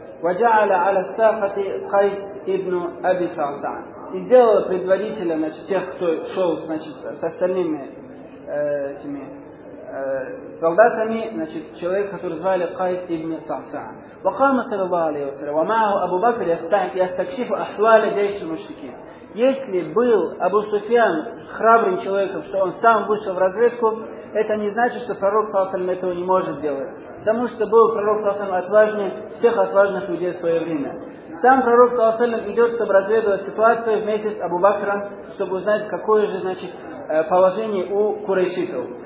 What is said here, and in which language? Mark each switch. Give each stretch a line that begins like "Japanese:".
Arabic: وَجَعَلَ عَلَى السَّاقَةِ قَيْسِ ибну Аби Салсан.
Russian: И сделал предводителя, значит, тех, кто шел, значит, с остальными этими солдатами, значит, человек, который звали Кайс ибн Сасан.
Arabic: وقام صلى الله عليه وسلم ومعه أبو بكر يستكشف أحوال جيش المشركين.
Russian: Если был Абу Суфьян храбрым человеком, что он сам вышел в разведку, это не значит, что пророк Саласалям этого не может делать. Потому что был пророк Саласалям отважнее всех отважных людей в свое время. Сам пророк Саласалям идет, чтобы разведывать ситуацию вместе с Абу Бакром, чтобы узнать, какое же, значит, положение у курайшитов.